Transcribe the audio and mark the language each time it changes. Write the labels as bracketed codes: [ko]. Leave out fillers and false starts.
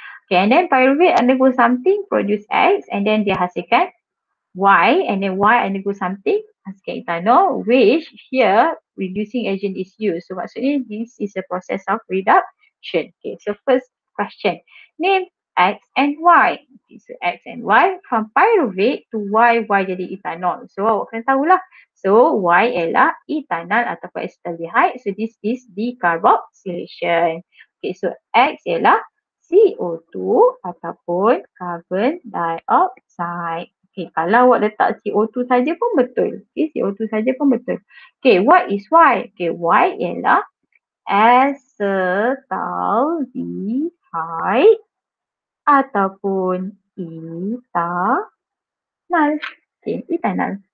[en] Okay, and then pyruvate undergo something, produce X, and then [ms] dia hasilkan [en] Y, and then Y undergo something, hasilkan ethanol, which here reducing agent is used. So maksudnya this is a process of reduction. Okay, so first question, name X and Y. Okay, so X and Y from pyruvate to Y, Y jadi ethanol. [ms] So awak kena tahulah. So Y ialah ethanol ataupun acetaldehyde. [en] So this is decarboxylation. [ms] Okay, so X ialah CO2 ataupun carbon dioxide. Okay, kalau awak letak CO2 saja pun betul. Okay, CO2 saja pun betul. Okay, [en] what is Y? [ms] Okay, Y ialah acetaldehyde ataupun ethanol. Okay, ethanol.